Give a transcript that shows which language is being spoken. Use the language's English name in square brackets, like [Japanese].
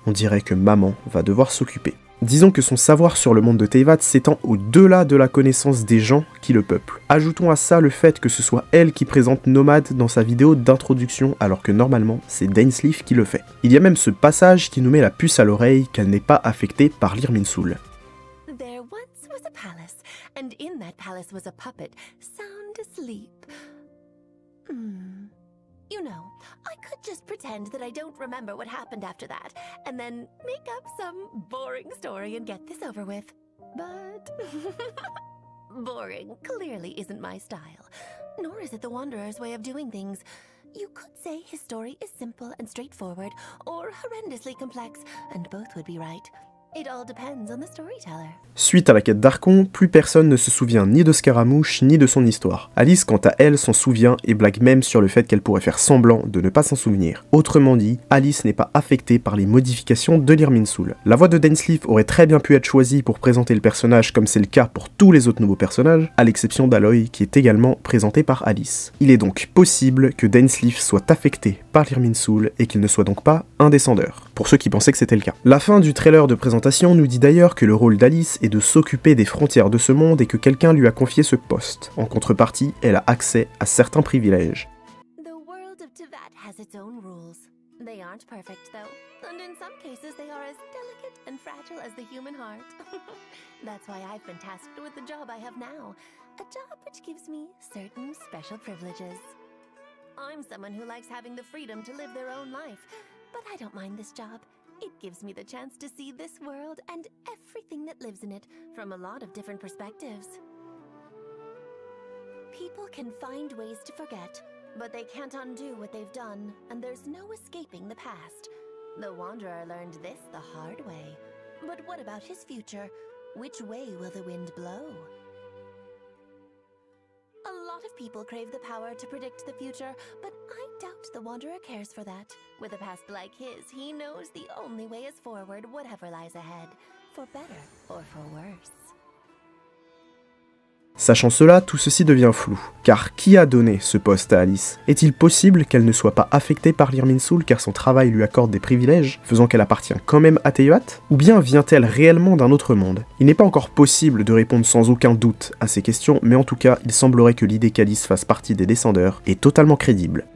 [French] On dirait que maman va devoir s'occuper. Disons que son savoir sur le monde de Teyvat s'étend au-delà de la connaissance des gens qui le peuplent. Ajoutons à ça le fait que ce soit elle qui présente Nomad dans sa vidéo d'introduction alors que normalement c'est Dainsleif qui le fait. Il y a même ce passage qui nous met la puce à l'oreille qu'elle n'est pas affectée par l'Irminsul. [English] There once was a palace, and in that palace was a puppet, sound asleep. You know, I could just pretend that I don't remember what happened after that, and then make up some boring story and get this over with. But... boring clearly isn't my style, nor is it the Wanderer's way of doing things. You could say his story is simple and straightforward, or horrendously complex, and both would be right. It all depends on the storyteller. [French] Suite à la quête d'Archon, plus personne ne se souvient ni de Scaramouche ni de son histoire. Alice, quant à elle, s'en souvient et blague même sur le fait qu'elle pourrait faire semblant de ne pas s'en souvenir. Autrement dit, Alice n'est pas affectée par les modifications de l'Irminsul. La voix de Dainsleif aurait très bien pu être choisie pour présenter le personnage comme c'est le cas pour tous les autres nouveaux personnages, à l'exception d'Aloy qui est également présenté par Alice. Il est donc possible que Dainsleif soit affecté par l'Irminsul et qu'il ne soit donc pas un descendeur, pour ceux qui pensaient que c'était le cas. La fin du trailer de présentation nous dit d'ailleurs que le rôle d'Alice est de s'occuper des frontières de ce monde et que quelqu'un lui a confié ce poste. En contrepartie, elle a accès à certains privilèges. [English] The world of Teyvat has its own rules. They aren't perfect though, and in some cases they are as delicate and fragile as the human heart. That's why I've been tasked with the job I have now, a job which gives me certain special privileges. I'm someone who likes having the freedom to live their own life, but I don't mind this job. It gives me the chance to see this world and everything that lives in it from a lot of different perspectives. People can find ways to forget, but they can't undo what they've done, and there's no escaping the past. The Wanderer learned this the hard way. But what about his future? Which way will the wind blow? A lot of people crave the power to predict the future, but I doubt the Wanderer cares for that. With a past like his, he knows the only way is forward, whatever lies ahead, for better or for worse. [French] Sachant cela, tout ceci devient flou. Car qui a donné ce poste à Alice? Est-il possible qu'elle ne soit pas affectée par l'Irminsul car son travail lui accorde des privilèges, faisant qu'elle appartient quand même à Teyvat? Ou bien vient-elle réellement d'un autre monde? Il n'est pas encore possible de répondre sans aucun doute à ces questions, mais en tout cas, il semblerait que l'idée qu'Alice fasse partie des descendeurs est totalement crédible.